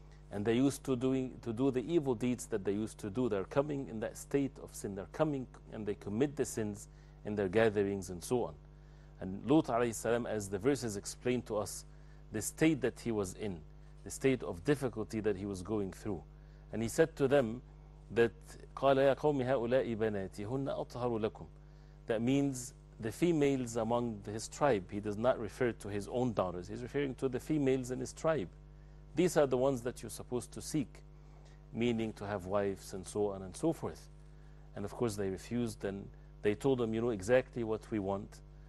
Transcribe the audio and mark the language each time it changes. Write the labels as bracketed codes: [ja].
[en] And they used to do the evil deeds that they used to do. They're coming in that state of sin. They're coming and they commit the sins in their gatherings and so on. And Lut alayhi salam, as the verses explained to us, the state that he was in, the state of difficulty that he was going through. And he said to them that, [ar] قَالَ يَا قَوْمِ هَؤُلَاءِ بَنَاتِهُنَّ أَطْهَرُ لَكُمْ. [en] That means the females among his tribe. He does not refer to his own daughters. He's referring to the females in his tribe. These are the ones that you're supposed to seek, meaning to have wives and so on and so forth. And of course they refused and they told him, you know exactly what we want.